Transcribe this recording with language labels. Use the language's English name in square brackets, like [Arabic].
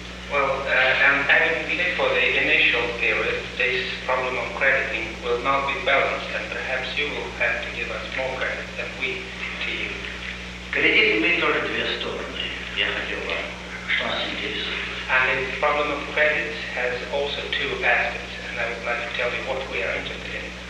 [English] Well, and having been for the initial period, this problem of crediting will not be balanced, and perhaps you will have to give us more credit than we to you. [Russian] Credit имеет тоже две стороны. Я хотел вам, что нас интересует. [English] And the problem of credit has also two aspects, and I would like to tell you what we are interested in.